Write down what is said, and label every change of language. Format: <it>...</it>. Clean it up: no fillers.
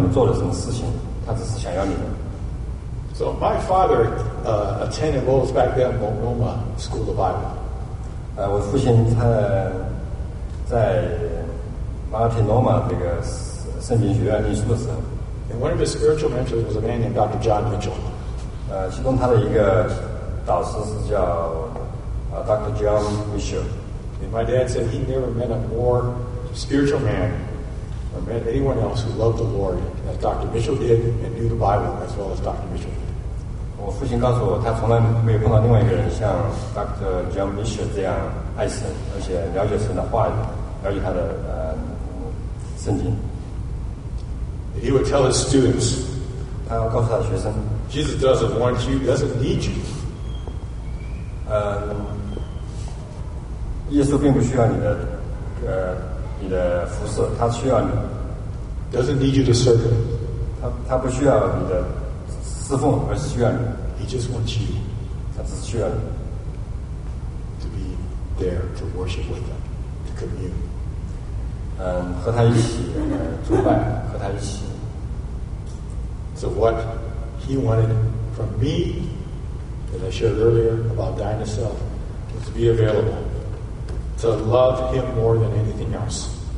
<zh>耶稣并不是想要任何你们做的什么事情，他只是想要你们。</zh> <en>So my father attended what was back then Monoma School of Bible.</en> <zh>我父亲他在 Martinoma 这个圣经学院念书的时候。</zh> <en>And one of his spiritual mentors was a man named Dr. John Mitchell.</en> <zh>其中他的一个 导师是叫 Dr. John Mitchell.</zh> <en>And my dad said he never met a more spiritual man or met anyone else who loved the Lord as Dr. Mitchell did and knew the Bible as well as Dr. Mitchell did.</en> <zh>我父亲告诉我，他从来没有碰到另外一个人像 Dr. John Mitchell 这样爱神，而且了解神的话语，了解他的圣经。</zh> <en>And he would tell his students,</en> <zh>他要告诉他的学生,</zh> <en>Jesus doesn't want you, doesn't need you.</en> <zh>耶稣并不需要你的服侍，他需要你。</zh> <en>doesn't need you to serve him.</en> <zh>他不需要你的侍奉，而是需要你。</zh> <en>He just wants you.</en> <zh>他只需要你。</zh> <en>To be there to worship with him, to commune.</en> <zh>和他一起崇拜，和他一起。</zh> <en>So what he wanted from me, that I shared earlier about dying to self, was to be available, to love him more than anything else.</en>